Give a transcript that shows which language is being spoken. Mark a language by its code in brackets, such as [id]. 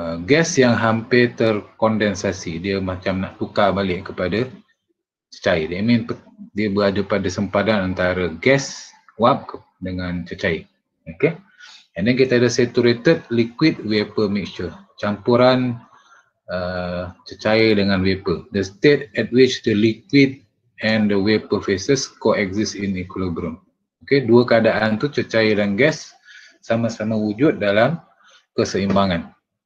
[ms] Gas yang hampir terkondensasi, dia macam nak tukar balik kepada cecair. [en] I mean, [ms] dia berada pada sempadan antara gas, wap dengan cecair. Okay. [en] And then [ms] kita ada [en] saturated liquid vapor mixture. [ms] Campuran cecair dengan vapor. [en] The state at which the liquid and the vapor phases coexist in equilibrium. Okay. [ms] Dua keadaan tu, cecair dan gas, sama-sama wujud dalam keseimbangan.